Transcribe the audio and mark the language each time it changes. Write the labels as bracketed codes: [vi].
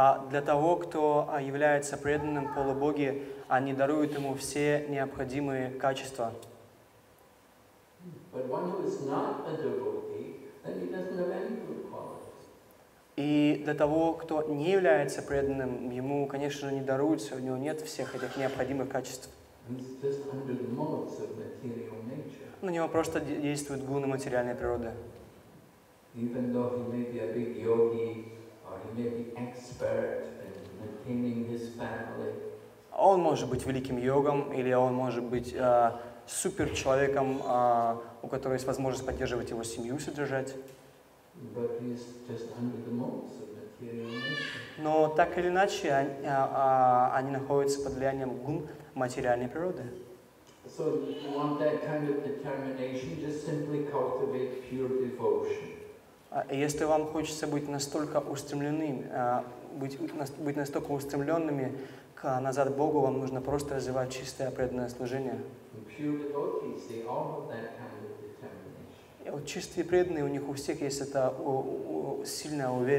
[ru] Для того, кто является преданным полубоги, они даруют ему все необходимые качества. [en] But one who is not a devotee, then he doesn't have any good qualities. [ru] И для того, кто не является преданным, ему, конечно же, не даруются, у него нет всех этих необходимых качеств. [en] And just under the modes of material nature. [ru] На него просто действуют гуны материальной природы. [en] even though he may be a big yogi or he may be expert in maintaining his family. [ru] Он может быть великим йогом или он может быть супер человеком, у которого есть возможность поддерживать его семью, содержать. [en] But he's just under the moments of material nature. [ru] Но так или иначе они находятся под влиянием гун материальной природы. [en] So if you want that kind of determination, just simply cultivate pure devotion. [ru] Если вам хочется быть настолько устремленным, быть настолько устремленными к назад Богу, вам нужно просто развивать чистое преданное служение. И вот чистые преданные, у них у всех есть эта сильная